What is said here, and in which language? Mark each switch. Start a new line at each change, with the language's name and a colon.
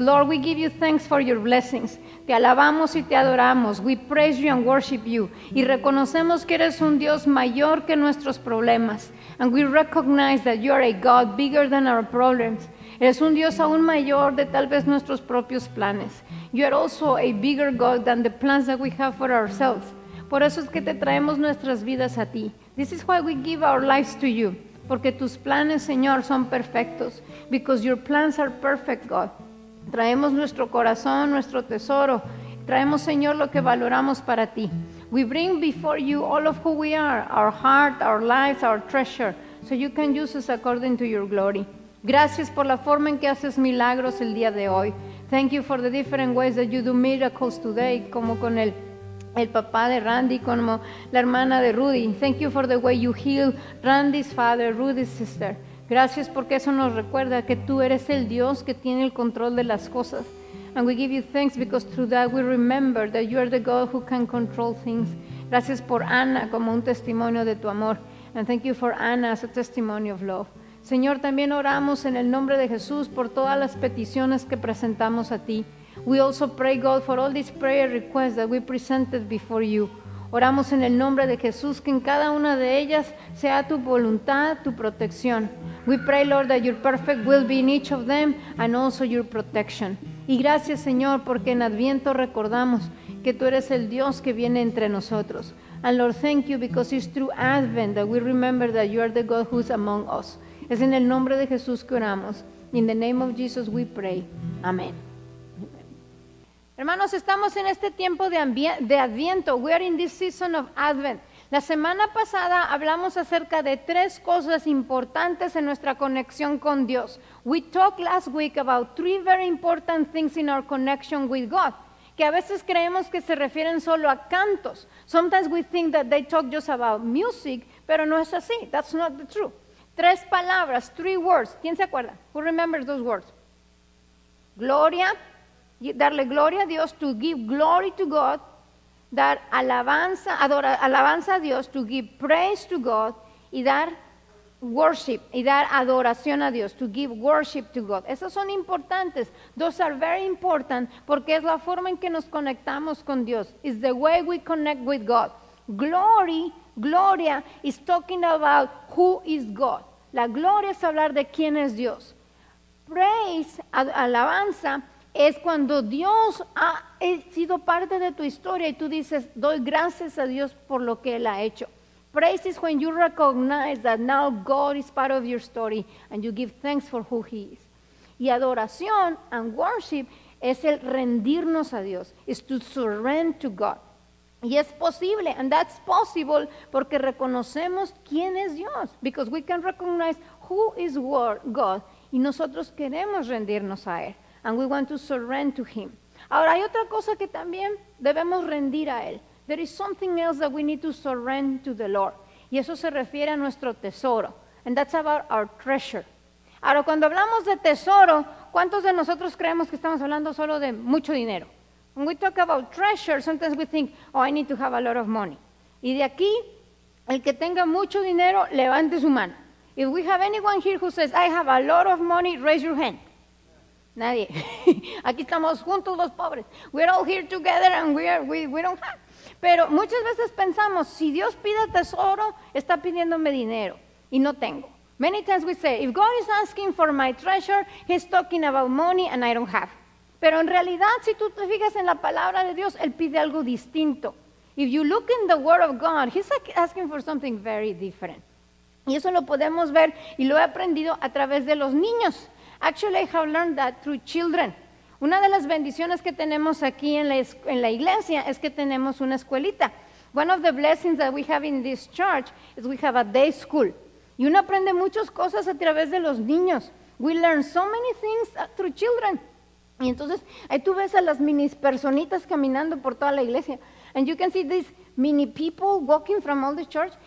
English: Lord, we give you thanks for your blessings.
Spanish: Te alabamos y te adoramos.
English: We praise you and worship you.
Spanish: Y reconocemos que eres un Dios mayor que nuestros problemas.
English: And we recognize that you are a God bigger than our problems.
Spanish: Eres un Dios aún mayor de tal vez nuestros propios planes.
English: You are also a bigger God than the plans that we have for ourselves.
Spanish: Por eso es que te traemos nuestras vidas a ti.
English: This is why we give our lives to you.
Spanish: Porque tus planes, Señor, son perfectos.
English: Because your plans are perfect, God.
Spanish: Traemos nuestro corazón, nuestro tesoro. Traemos, Señor, lo que valoramos para ti.
English: We bring before you all of who we are, our heart, our lives, our treasure, so you can use us according to your glory.
Spanish: Gracias por la forma en que haces milagros el día de hoy.
English: Thank you for the different ways that you do miracles today,
Spanish: como con el papá de Randy, como la hermana de Rudy.
English: Thank you for the way you heal Randy's father, Rudy's sister.
Spanish: Gracias porque eso nos recuerda que tú eres el Dios que tiene el control de las cosas.
English: And we give you thanks because through that we remember that you are the God who can control things.
Spanish: Gracias por Ana como un testimonio de tu amor.
English: And thank you for Ana as a testimony of love.
Spanish: Señor, también oramos en el nombre de Jesús por todas las peticiones que presentamos a ti.
English: We also pray, God, for all these prayer requests that we presented before you.
Spanish: Oramos en el nombre de Jesús que en cada una de ellas sea tu voluntad, tu protección.
English: We pray, Lord, that your perfect will be in each of them and also your protection.
Spanish: Y gracias, Señor, porque en Adviento recordamos que tú eres el Dios que viene entre nosotros.
English: And Lord, thank you because it's through Advent that we remember that you are the God who's among us.
Spanish: Es en el nombre de Jesús que oramos.
English: In the name of Jesus we pray.
Spanish: Amén. Hermanos, estamos en este tiempo de Adviento.
English: We are in this season of Advent.
Spanish: La semana pasada hablamos acerca de tres cosas importantes en nuestra conexión con Dios.
English: We talked last week about three very important things in our connection with God,
Spanish: que a veces creemos que se refieren solo a cantos.
English: Sometimes we think that they talk just about music,
Spanish: pero no es así.
English: That's not the truth.
Spanish: Tres palabras,
English: three words.
Spanish: ¿Quién se acuerda?
English: Who remembers those words? Gloria.
Spanish: Darle gloria a Dios,
English: to give glory to God,
Spanish: dar alabanza, alabanza a Dios,
English: to give praise to God, y dar worship,
Spanish: y dar adoración a Dios,
English: to give worship to God.
Spanish: Esas son importantes.
English: Those are very important
Spanish: porque es la forma en que nos conectamos con Dios.
English: It's the way we connect with God. Glory, gloria, is talking about who is God.
Spanish: La gloria es hablar de quién es Dios. Praise, alabanza, es cuando Dios ha sido parte de tu historia y tú dices, doy gracias a Dios por lo que Él ha hecho.
English: Praise is when you recognize that now God is part of your story and you give thanks for who He is.
Spanish: Y adoración
English: and worship
Spanish: es el rendirnos a Dios,
English: is to surrender to God.
Spanish: Y es posible,
English: and that's possible,
Spanish: porque reconocemos quién es Dios,
English: because we can recognize who is God
Spanish: y nosotros queremos rendirnos a Él.
English: And we want to surrender to Him.
Spanish: Ahora, hay otra cosa que también debemos rendir a Él.
English: There is something else that we need to surrender to the Lord.
Spanish: Y eso se refiere a nuestro tesoro.
English: And that's about our treasure.
Spanish: Ahora, cuando hablamos de tesoro, ¿cuántos de nosotros creemos que estamos hablando solo de mucho dinero?
English: When we talk about treasure, sometimes we think, oh, I need to have a lot of money.
Spanish: Y de aquí, el que tenga mucho dinero, levante su mano.
English: If we have anyone here who says, I have a lot of money, raise your hand.
Spanish: Nadie. Aquí estamos juntos los pobres.
English: We're all here together and we don't have.
Spanish: Pero muchas veces pensamos, si Dios pide tesoro, está pidiéndome dinero y no tengo.
English: Many times we say, if God is asking for my treasure, he's talking about money and I don't have.
Spanish: Pero en realidad, si tú te fijas en la palabra de Dios, Él pide algo distinto.
English: If you look in the word of God, he's asking for something very different.
Spanish: Y eso lo podemos ver y lo he aprendido a través de los niños.
English: Actually, I have learned that through children.
Spanish: Una de las bendiciones que tenemos aquí en la iglesia es que tenemos una escuelita.
English: One of the blessings that we have in this church is we have a day school.
Spanish: Y uno aprende muchas cosas a través de los niños.
English: We learn so many things through children.
Spanish: Y entonces, ahí tú ves a las mini personitas caminando por toda la iglesia.
English: And you can see these mini people walking from all the church.